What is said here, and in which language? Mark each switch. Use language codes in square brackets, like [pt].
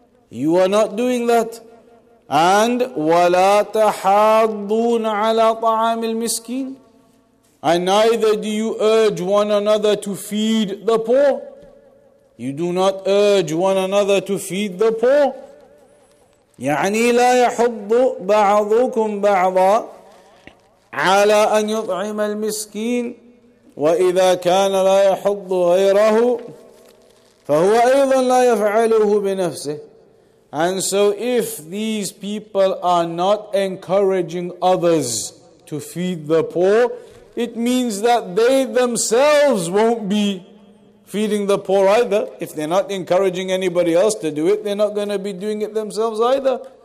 [en] You are not doing that. And [ar] وَلَا تَحَاضُّونَ عَلَىٰ طَعَامِ الْمِسْكِينَ. [en] And neither do you urge one another to feed the poor. You do not urge one another to feed the poor. [ar] يعني لا يحض بعضكم بعضا على أن يطعم المسكين وإذا كان لا يحض غيره فهو أيضا لا يفعله بنفسه. [en] And so if these people are not encouraging others to feed the poor, it means that they themselves won't be feeding the poor either. If they're not encouraging anybody else to do it, they're not going to be doing it themselves either.